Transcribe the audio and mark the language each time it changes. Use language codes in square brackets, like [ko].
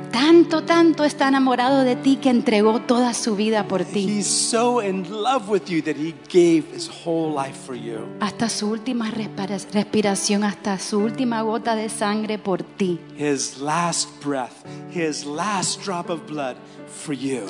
[es] Tanto, tanto está enamorado de ti que entregó toda su vida por ti. [en] He's so in love with you that he gave his whole life for you. [es] Hasta su última respiración, hasta su última gota de sangre por ti. [en] His last breath, his last drop of blood for you.